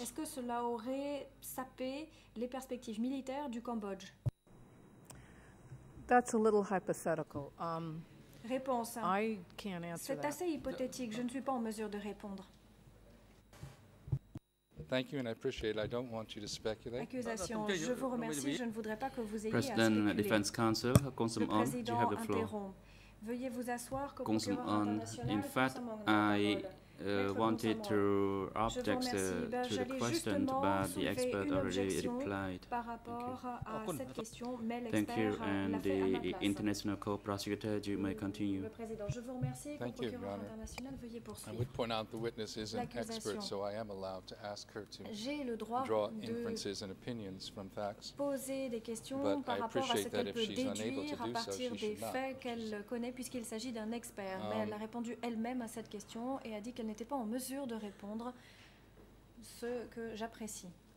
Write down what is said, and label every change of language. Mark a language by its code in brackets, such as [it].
[fr] Est-ce que cela aurait sapé les perspectives militaires du Cambodge? [en] That's a little hypothetical. [fr] Réponse. [en] I can't answer [fr] c'est [en] that. [fr] Assez hypothétique. Je ne suis pas en mesure de répondre. [en] Thank you, and I appreciate it. I don't want you to speculate. [fr] Accusation. Je vous remercie. Je ne voudrais pas que vous ayez [en] President [fr] à spéculer. [en] Defense counsel, consomme on, do you have the floor? [fr] Veuillez vous asseoir, consomme on. [en] In fact, I wanted to object to the question, but the expert already replied. Thank you, and the international co-prosecutor, you may continue. Thank you, Your Honor. I would point out the witness is an expert, so I am allowed to ask her to draw inferences and opinions from facts. But I appreciate that if she's unable to do so, she should not. [fr] Puisqu'il s'agit d'un expert, mais elle a répondu elle-même à cette question et a dit qu'elle n'était pas en mesure de répondre, ce que j'apprécie.